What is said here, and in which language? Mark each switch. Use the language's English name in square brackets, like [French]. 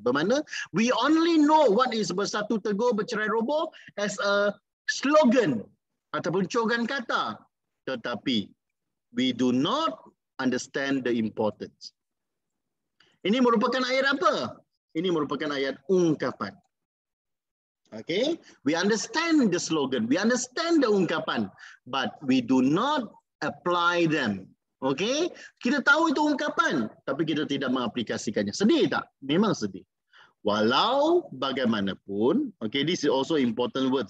[English] Bermakna, we only know what is bersatu teguh bercerai roboh as a slogan ataupun cogan kata. Tetapi, we do not understand the importance. [Malay] Ini merupakan ayat apa? Ini merupakan ayat ungkapan. [English] Okay, we understand the slogan, we understand the ungkapan, but we do not apply them. [Malay] Okay, kita tahu itu ungkapan, tapi kita tidak mengaplikasikannya. Sedih tak? Memang sedih. [English] Walau bagaimanapun, okay, this is also important words.